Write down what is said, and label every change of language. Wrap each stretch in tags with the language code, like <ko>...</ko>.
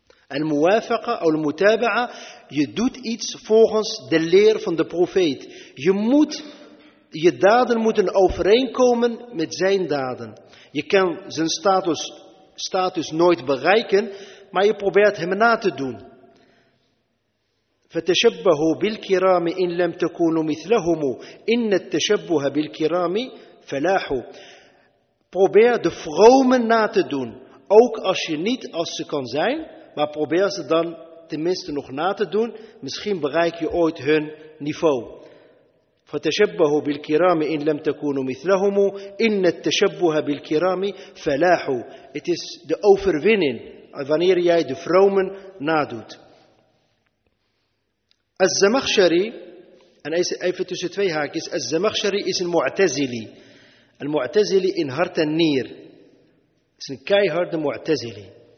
<nl>En muwafaqa, of mutaba'a, je doet iets volgens de leer van de profeet. Je daden moeten overeenkomen met zijn daden. Je kan zijn status nooit bereiken, maar je probeert hem na te doen.</nl> <ar>فتشبهوا بالكرام إن لم تكونوا مثلهم إن التشبه بالكرام فلاح.</ar> <nl>Probeer de vromen na te doen, ook als je niet als ze kan zijn, maar probeer ze dan tenminste nog na te doen. Misschien bereik je ooit hun niveau.</nl> <ar>فتشبهوا بالكرام إن لم تكونوا مثلهم إن التشبه بالكرام فلاح.</ar> <nl>It is de overwinning wanneer jij de vromen nadoet. Al-Zamakhshari, en even tussen twee haakjes, Al-Zamakhshari is een Mu'tazili. Een Mu'tazili in hart en nier. Het is een keiharde Mu'tazili.</nl>